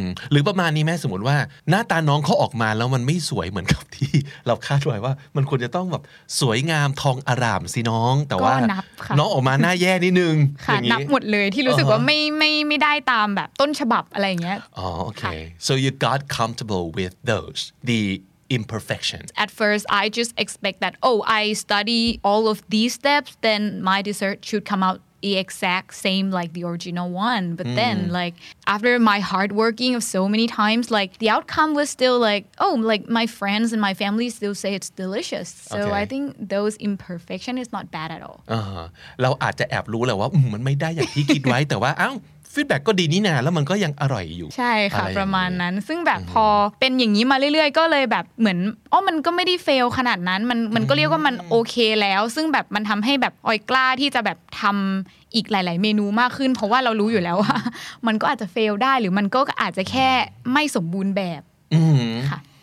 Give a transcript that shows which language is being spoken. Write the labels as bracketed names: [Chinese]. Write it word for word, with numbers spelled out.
[Thai] หรือประมาณนี้แม่สมมติว่าหน้าตาน้องเขาออกมาแล้วมันไม่สวยเหมือนกับที่เราคาดไว้ว่ามันควรจะต้องแบบสวยงามทองอร่ามสิน้องแต่ว่าน้องออกมาหน้าแย่นิดนึง ค่ะนับหมดเลยที่รู้สึกว่าไม่ไม่ไม่ได้ตามแบบต้นฉบับอะไรอย่างเงี้ย [English] อ๋อโอเค so you got comfortable with those the imperfection At first I just expect that oh I study all of these steps then my dessert should come out the exact same like the original one but mm. then like after my hard working of so many times like the outcome was still like oh like my friends and my family still say it's delicious so okay. I think those imperfection is not bad at all [Thai] อ่าเราอาจจะแอบรู้แหละว่ามันไม่ได้อย่างที่คิดไว้แต่ว่าอ้าวฟีดแบ็กก็ดีนี่นาแล้วมันก็ยังอร่อยอยู่ ใช่ค่ะประมาณนั้นซึ่งแบบพอเป็นอย่างนี้มาเรื่อยๆก็เลยแบบเหมือนอ๋อมันก็ไม่ได้เฟลขนาดนั้นมันมันก็เรียกว่ามันโอเคแล้วซึ่งแบบมันทำให้แบบออยกล้าที่จะแบบทำอีกหลายๆเมนูมากขึ้นเพราะว่าเรารู้อยู่แล้วว่ามันก็อาจจะเฟลได้หรือมันก็อาจจะแค่ไม่สมบูรณ์แบบค่ะ